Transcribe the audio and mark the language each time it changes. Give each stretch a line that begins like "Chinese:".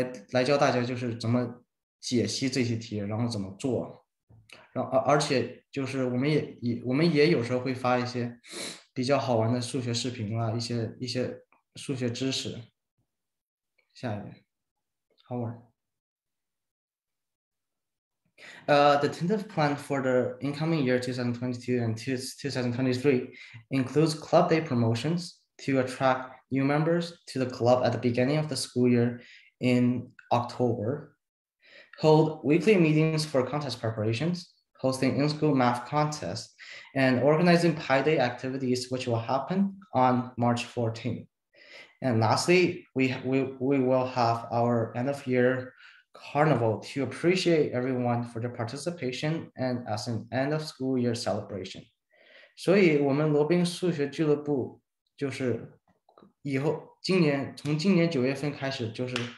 Chinese: 来教大家，就是怎么解析这些题，然后怎么做。而且就是我们也有时候会发一些比较好玩的数学视频啊，一些数学知识。下一位，Howard。
English: The tentative plan for the incoming year 2022 and 2023 includes club day promotions to attract new members to the club at the beginning of the school year in October, hold weekly meetings for contest preparations, hosting in-school math contests, and organizing Pi Day activities, which will happen on March 14th. And lastly, we will have our end of year carnival to appreciate everyone for their participation and as an end of school year celebration.
Chinese: 所以我们罗宾数学俱乐部就是 以后今年从今年九月份开始，就是